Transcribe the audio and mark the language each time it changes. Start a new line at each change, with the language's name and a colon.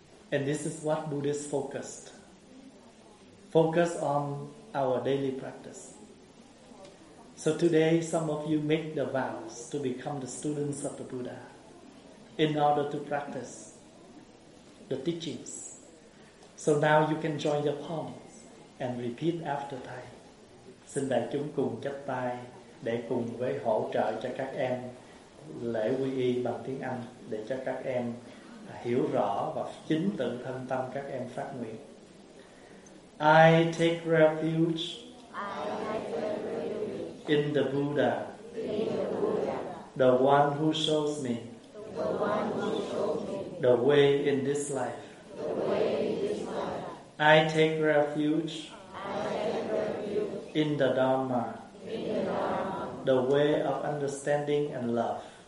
English: And this is what Buddhists focused. Focus on our daily practice. So today some of you make the vows to become the students of the Buddha in order to practice the teachings. So now you can join your palms and repeat after Thầy.
Vietnamese: Xin đại chúng cùng chắp tay để cùng với hỗ trợ cho các em lễ quy y bằng tiếng Anh để cho các em hiểu rõ và chính tự thân tâm các em phát nguyện.
English: I take refuge in the Buddha, the one who shows me the way in this life. I take refuge in the Dharma, the way of understanding and love.